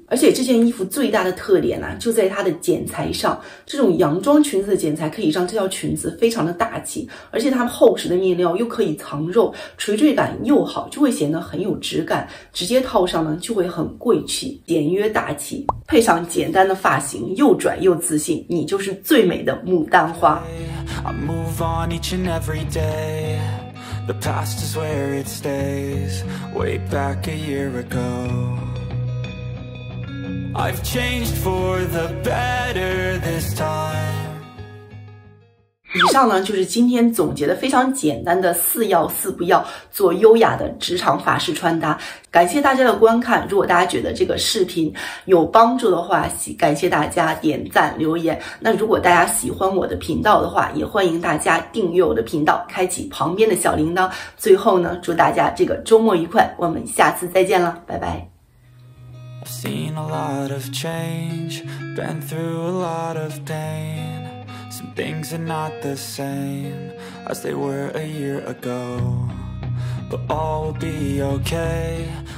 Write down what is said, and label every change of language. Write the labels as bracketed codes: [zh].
[zh] 而且这件衣服最大的特点呢，就在它的剪裁上，这种洋装裙子的剪裁可以让这条裙子非常的大气，而且它厚实的面料又可以藏肉，垂坠感又好，就会显得很有质感，直接套上呢就会很贵气简约大气，配上简单的发型，又拽又自信，你就是最美的牡丹花。 [en] I move on each and every day. The past is where it stays. Way back a year ago. I've changed for the better this time. [zh] 上呢，就是今天总结的非常简单的四要四不要，做优雅的职场法式穿搭。感谢大家的观看，如果大家觉得这个视频有帮助的话，感谢大家点赞留言。那如果大家喜欢我的频道的话，也欢迎大家订阅我的频道，开启旁边的小铃铛。最后呢，祝大家这个周末愉快，我们下次再见了，拜拜。 [en] I've seen a lot of change, been through a lot of pain. Some things are not the same as they were a year ago. But all will be okay.